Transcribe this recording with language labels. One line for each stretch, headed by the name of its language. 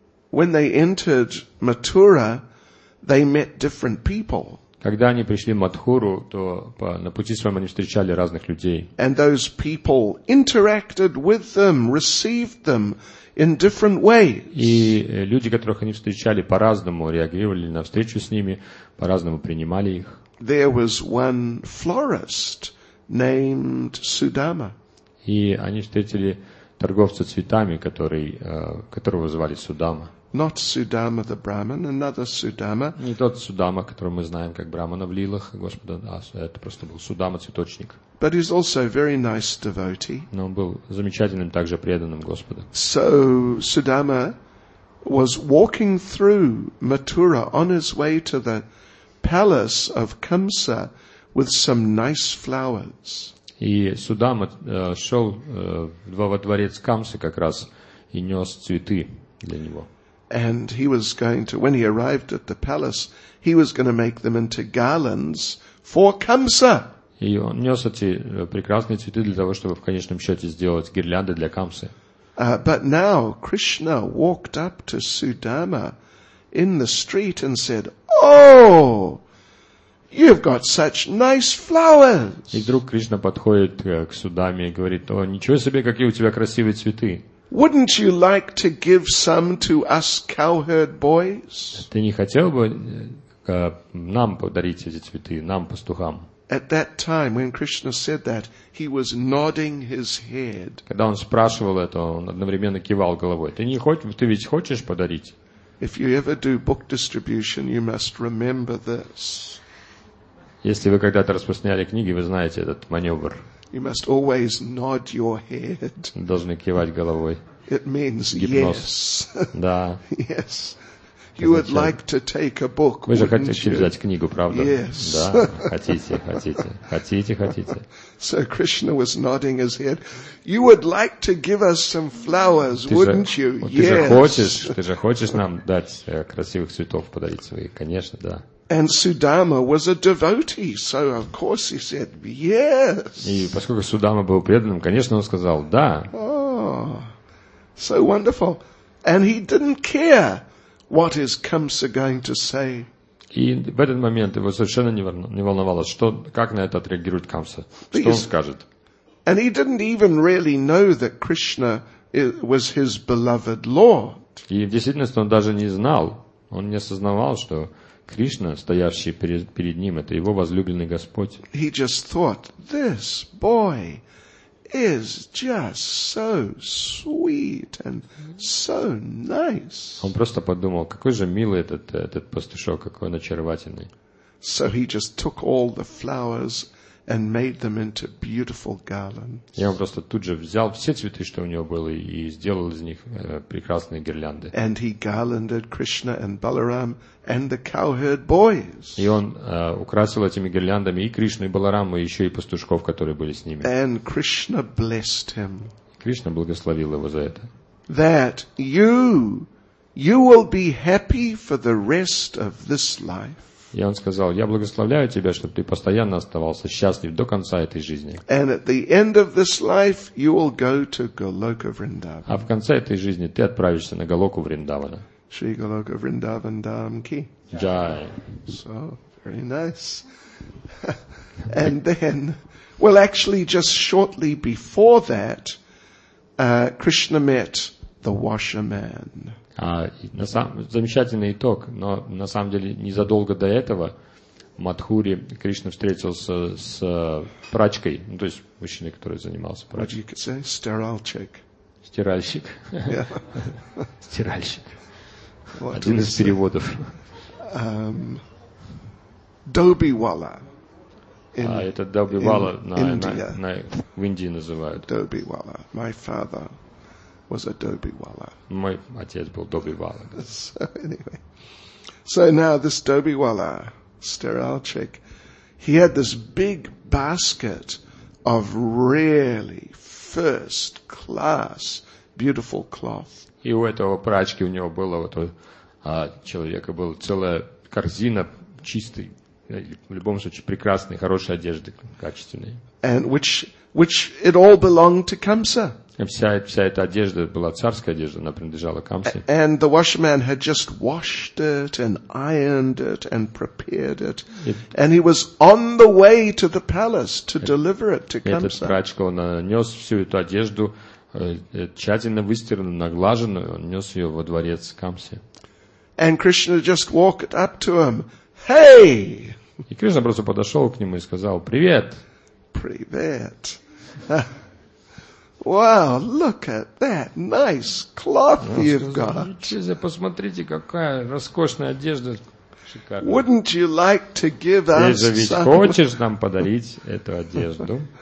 English: When they entered Mathura, they met different people.
Russian: Когда они пришли в Матхуру, то на пути своем они встречали разных людей.
English: And those people interacted with them, received them in different ways.
Russian: И люди, которых они встречали, по-разному реагировали на встречу с ними, по-разному принимали их.
English: There was one florist named Sudama.
Russian: И они встретили торговца цветами, которого звали Судама.
English: Not Sudama the Brahman, another Sudama.
Russian: Не тот Судама, которого мы знаем как Брахмана в лилах Господа, а это просто был Судама цветочник.
English: But he's also a very nice devotee.
Russian: Но он был замечательным также преданным Господа.
English: So Sudama was walking through Mathura on his way to the palace of Kamsa with some nice flowers.
Russian: И Судама шел во дворец Камсы как раз и нес цветы для него.
English: And he was going to, when he arrived at the palace, he was going to make them into garlands for Kamsa.
Russian: И он нес эти прекрасные цветы для того, чтобы в конечном счете сделать гирлянды для Камсы.
English: But now Krishna walked up to Sudama in the street and said, "Oh, you've got such nice flowers."
Russian: И вдруг Кришна подходит к Судаме и говорит: "О, ничего себе, какие у тебя красивые цветы!"
English: Wouldn't you like to give some to us cowherd boys?
Russian: Ты не хотел бы нам подарить эти цветы, нам, пастухам?
English: At that time, when Krishna said that, he was nodding his head.
Russian: Когда он спрашивал это, он одновременно кивал головой. Ты не хочешь, ты ведь хочешь подарить?
English: If you ever do book distribution, you must remember this.
Russian: Если вы когда-то распространяли книги, вы знаете этот маневр.
English: You must always nod your head.
Russian: Должны кивать головой.
English: It means
Russian: гипноз.
English: Yes.
Russian: Да.
English: Yes. You would like to take a book.
Russian: Вы же хотите взять книгу, правда?
English: Yes.
Russian: Да. Хотите, хотите, хотите, хотите.
English: So Krishna was nodding his head. You would like to give us some flowers, wouldn't you? Yes.
Russian: Ты же хочешь нам дать красивых цветов подарить своих? Конечно, да.
English: And Sudama was a devotee, so of course he said yes.
Russian: И поскольку Судама был преданным, конечно, он сказал да.
English: Oh, so wonderful, and he didn't care what is Kamsa going to say.
Russian: И в этот момент его совершенно не волновалось, что как на это отреагирует Камса, что он скажет.
English: And he didn't even really know that Krishna was his beloved Lord.
Russian: И в действительности он даже не знал, он не осознавал, что Кришна, стоящий перед ним, это его возлюбленный Господь.
English: He just thought, this boy is just so sweet and so nice.
Russian: Он просто подумал, какой же милый этот пастушок, какой он очаровательный.
English: So he just took all the flowers and made them into beautiful garlands.
Russian: И он просто тут же взял все цветы, что у него были, и сделал из них прекрасные гирлянды.
English: And he garlanded Krishna and Balaram and the cowherd boys.
Russian: И он украсил этими гирляндами и Кришну, и Баларама, и еще и пастушков, которые были с ними.
English: And Krishna blessed him.
Russian: Кришна благословил его за это.
English: That you will be happy for the rest of this life.
Russian: И он сказал, я благословляю тебя, чтобы ты постоянно оставался счастлив до конца этой жизни.
English: And at the end of this life, you will go to Goloka Vrindavan.
Russian: А в конце этой жизни ты отправишься на Голоку Вриндавана.
Hindi: Shri Goloka Vrindavan Dham Ki. Jai.
English: So, very nice. And then, well, actually, just shortly before that, Krishna met the washerman.
Russian: Замечательный итог, но на самом деле незадолго до этого Мадхури Кришна встретился с прачкой, ну, то есть мужчиной, который занимался прачкой.
English: What you could say? Стиральщик.
Russian: Стиральщик.
English: Yeah.
Russian: Стиральщик. What Один из переводов. Добивала. А это Добивала в Индии называют.
English: Добивала. My father was a Добивала.
Russian: Мой отец был Добивала.
English: So anyway, so now this Добивала. Steralchik, he had this big basket of really first class, beautiful cloth.
Russian: И у этого прачки у него было вот у человека была целая корзина чистой, в любом случае прекрасной, хорошей одежды, качественной.
English: And which it all belonged to Kamsa.
Russian: Вся эта одежда была царская одежда, она принадлежала Камсе.
English: And the washerman had just washed it and ironed it and prepared it. And he was on the way to the palace to deliver it to Kamsa.
Russian: Этот прачка, он нес всю эту одежду, тщательно выстиранную, наглаженную, он нес ее во дворец Камсе.
English: And Krishna just walked up to him. Hey!
Russian: И Кришна просто подошел к нему и сказал, привет! Привет!
English: Wow, look at that nice cloth you've got.
Russian: Посмотрите, какая роскошная одежда. Шикарная.
English: Wouldn't you like to give us some?
Russian: Если ведь хочешь нам подарить эту одежду?